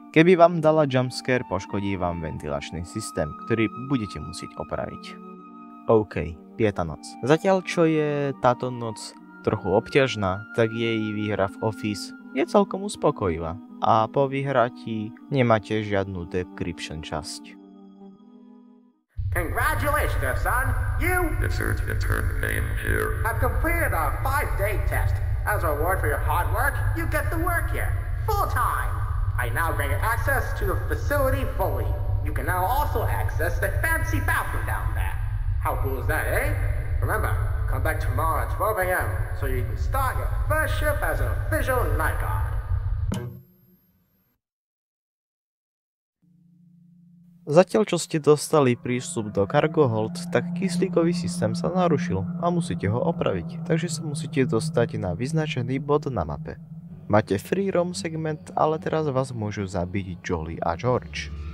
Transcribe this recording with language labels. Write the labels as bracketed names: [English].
[Slovak] Keby vám dala jumpscare, poškodí vám ventilačný systém, ktorý budete musieť opraviť. OK, piata noc. Zatiaľ, čo je táto noc trochu obťažná, tak jej výhra v Office je celkom uspokojivá a po vyhratí nemáte žiadnu decryption časť. [English] Congratulations, son! You... Yes, sir, it's your turn name here. ...have completed our 5-day test. As a reward for your hard work, you get the work here. Full time! I now grant you access to the facility fully. You can now also access the fancy bathroom down there. How cool is that, eh? Remember, come back tomorrow at 12 a.m. so you can start your first shift as an official night guard. [Slovak] Zatiaľ, čo ste dostali prístup do Cargo Hold, tak kyslíkový systém sa narušil a musíte ho opraviť, takže sa musíte dostať na vyznačený bod na mape. Máte free roam segment, ale teraz vás môžu zabiť Jolly a George.